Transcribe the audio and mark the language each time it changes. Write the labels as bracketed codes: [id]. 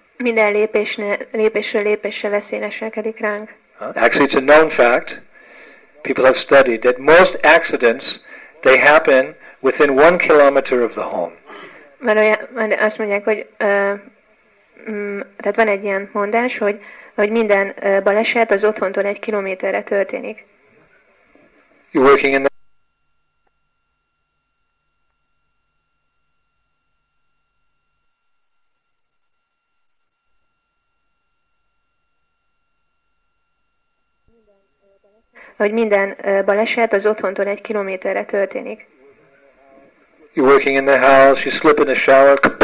[hu] Minden lépésről lépésre veszélyeselkedik ránk. [en] Actually, it's a known fact. People have studied that most accidents, they happen within 1 kilometer of the home. [hu] Azt mondják, hogy tehát van egy ilyen mondás, hogy minden baleset az otthontól 1 kilométerre történik. [en] You're working in the [hu] hogy minden baleset az otthontól 1 kilométerre történik. [en] You're working in the house, you slip in the shower.